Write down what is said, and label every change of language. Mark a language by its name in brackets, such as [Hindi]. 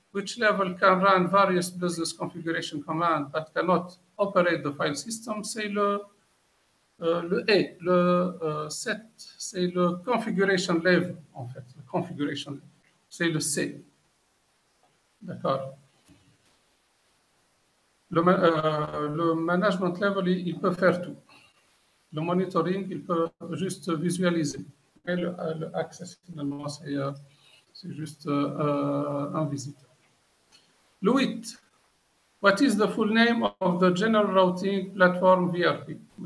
[English] Which level can run various business configuration commands but cannot operate the file system? [French] C'est le 7, c'est le configuration level, en fait. Le configuration level, c'est le C. D'accord. Le management level, il peut faire tout. Le monitoring, il peut juste visualiser. Et le access, finalement, c'est juste un visiteur. Le 8. [English] What is the full name of the General Routing Platform VRP?